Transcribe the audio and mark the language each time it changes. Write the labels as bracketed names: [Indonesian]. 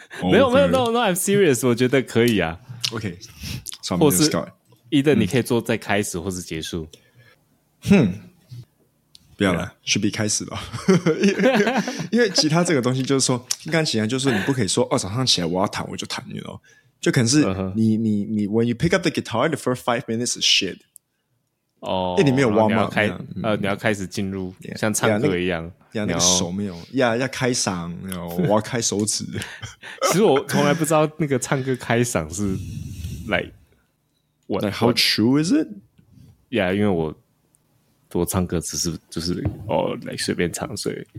[Chinese] 没有没有 ， [English] No, I'm serious， [Chinese] 我觉得可以啊。 [English] OK， [Chinese] 或是 either 你可以做再开始，或是结束。哼。不要了， [English] should be [Chinese] 开始了。因为吉他这个东西就是说，钢琴啊，就是你不可以说哦，早上起来我要弹我就弹，你知道？就可能是你、uh-huh. [English] 你 when you pick up the guitar the first 5 minutes is shit。哦，哎， [Chinese] 你没有 [English] warm up， [Chinese] 你要开始进入 yeah, 像唱歌一样，要那个手没有，要开嗓，我要开手指。其实我从来不知道那个唱歌开嗓是 [English] like how true is it？ [Chinese] Yeah， 因为我。我唱歌只是就是哦，来随便唱，所以